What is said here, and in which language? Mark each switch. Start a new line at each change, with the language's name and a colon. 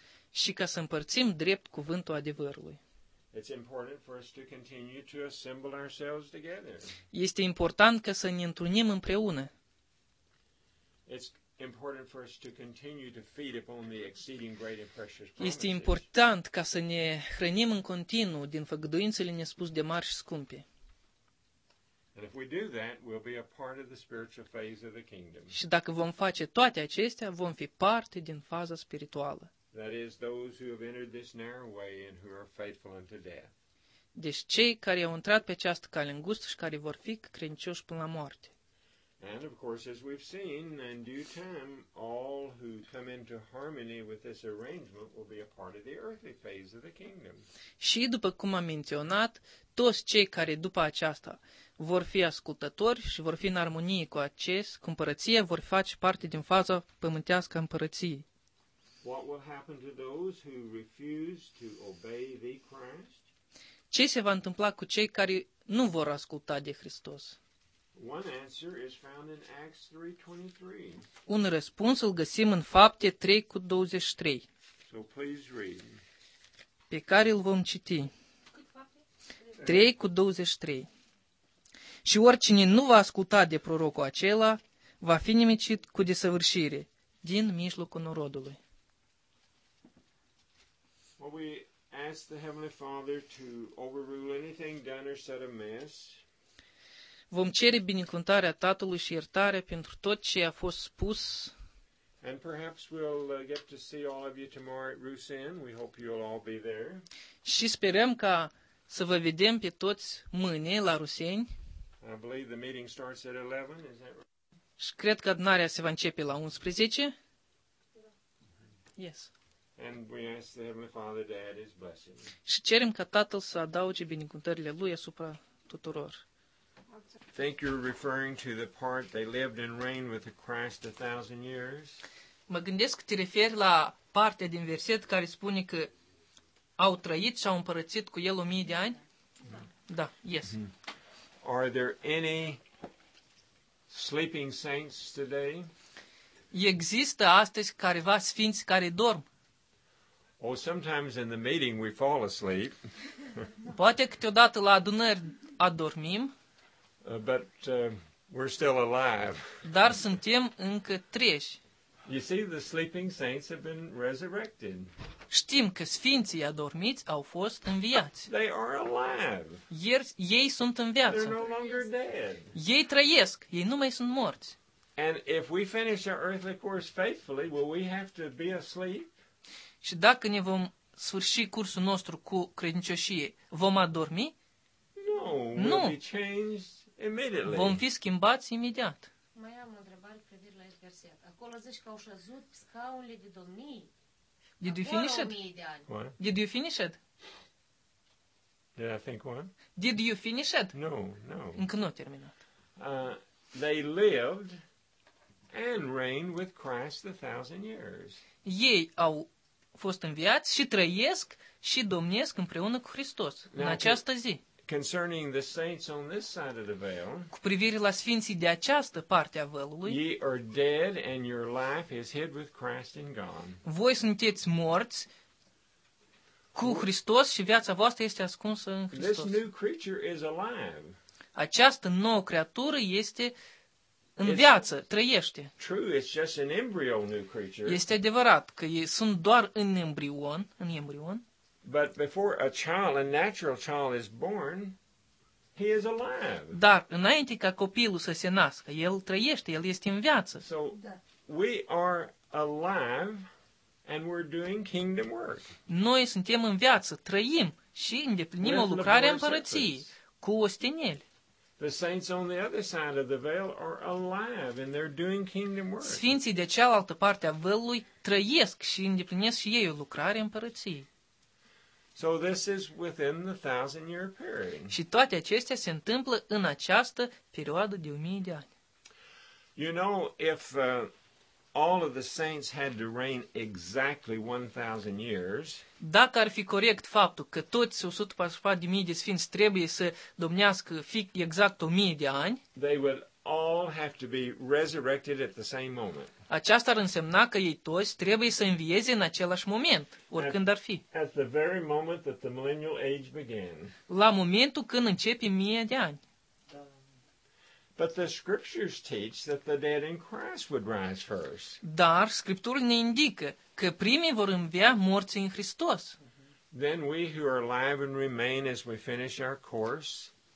Romanian: Și ca să împărțim drept cuvântul adevărului.
English: It's important for us to continue to assemble ourselves together.
Romanian: Este important ca să ne întrunim împreună.
English: Important for us to continue to feed upon the exceeding great and precious promises.
Romanian: Este important ca să ne hrănim în continuu din făgăduințele nespus de mari și scumpe.
English: And if we do that, we'll be a part of the spiritual phase of the kingdom.
Romanian: Și dacă vom face toate acestea, vom fi parte din faza spirituală.
English: That is those who have entered this narrow way and who are faithful unto death.
Romanian: Deci cei care au intrat pe această cale îngustă și care vor fi credincioși până la moarte.
English: And of course, as we've seen, in due time, all who come into harmony with this arrangement will be a part of the earthly phase of the kingdom.
Romanian: Și după cum am menționat, toți cei care după aceasta vor fi ascultători și vor fi în armonie cu acest, cu împărăția, vor face parte din faza pământească a împărăției.
English: What will happen to those who refuse to obey the Christ?
Romanian: Ce se va întâmpla cu cei care nu vor asculta de Hristos?
English: One answer is found in Acts 3:23.
Romanian: Un răspuns îl găsim în Fapte 3:23.
English: So please read.
Romanian: Pe care îl vom citi. 3:23. Și oricine nu va asculta de prorocul acela, va fi nimicit cu desăvârșire din mijlocul norodului.
English: Well, we ask the Heavenly Father to overrule anything done or said amiss.
Romanian: Vom cere binecuvântarea Tatălui și iertarea pentru tot ce a fost spus.
English: And perhaps we'll get to see all of you tomorrow at Rusin. We hope you'll all be there.
Romanian: Și sperăm ca să vă vedem pe toți mâine la Rusin.
English: I believe the meeting starts at 11, is that right?
Romanian: Și cred că adunarea se va începe la 11.
English: Yes. And we ask the Heavenly Father to add his blessing.
Romanian: Și cerem ca Tatăl să adauge binecuvântările Lui asupra tuturor.
English: Think you're referring to the part they lived and reigned with the Christ a thousand years?
Romanian: Mă gândesc că te referi la partea din verset care spune că au trăit și au împărățit cu el 1000 de ani? Da, yes. Mm-hmm.
English: Are there any sleeping saints today?
Romanian: Există astăzi careva sfinți care dorm?
English: Oh, sometimes in the meeting we fall asleep.
Romanian: Poate câteodată la adunări adormim.
English: But we're still alive.
Romanian: Dar suntem încă treși.
English: You see, the sleeping saints have been resurrected.
Romanian: Știm că sfinții adormiți au fost înviați.
English: They are alive.
Romanian: Ei sunt în viață.
English: They're no longer dead.
Romanian: Ei trăiesc, ei nu mai sunt morți.
English: And if we finish our earthly course faithfully, will we have to be asleep?
Romanian: Și dacă ne vom sfârși cursul nostru cu credincioșie, vom adormi?
English: No,
Romanian: nu.
English: We'll be changed. Immediately.
Romanian: Vom fi schimbați imediat. Mai am o întrebare privire la acest verset. Acolo zici că au șezut scaunele de domnii.
English: Did you finish it? What? Did you finish it? Did I think one? Did you finish it? No, no.
Romanian: Încă nu a terminat.
English: They lived and reigned with Christ 1,000 years.
Romanian: Ei au fost înviați și trăiesc și domnesc împreună cu Hristos în această zi.
English: Concerning the saints on this side of the veil.
Romanian: Cu privire la sfinții de această parte a vălului.
English: Ye are dead and your life is hid with Christ in God.
Romanian: Voi sunteți morți cu Hristos și viața voastră este ascunsă în Hristos.
English: This new creature is alive.
Romanian: Această nouă creatură este în viață, trăiește.
English: True, it's just an embryo new creature.
Romanian: Este adevărat că ei sunt doar în embrion, în embrion.
English: But before a child, a natural child is born, he is alive.
Romanian: Dar înainte ca copilul să se nască, el trăiește, el este în viață.
English: So we are alive and we're doing kingdom work.
Romanian: Noi suntem în viață, trăim și îndeplinim o lucrare împărăției cu osteneli.
English: The saints on the other side of the veil are alive and they're doing kingdom work.
Romanian: Sfinții de cealaltă parte a vălului trăiesc și îndeplinesc și ei o lucrare împărăției.
English: So this is within the 1,000-year period.
Romanian: Și toate acestea se întâmplă în această perioadă de 1000 de ani.
English: You know, if all of the saints had to reign exactly 1,000 years,
Romanian: dacă ar fi corect faptul că toți 144.000 de sfinți trebuie să domnească fix exact 1000 de ani,
English: they would all have to be resurrected at the same moment.
Romanian: Aceasta ar însemna că ei toți trebuie să învieze în același moment, oricând ar fi.
English: At the very moment that the millennial age began.
Romanian: La momentul când începe mie de ani.
English: But the scriptures teach that the dead in Christ would rise first.
Romanian: Dar scriptura ne indică că primii vor învia morții în Hristos.
English: Then we who are alive and remain as we finish our course.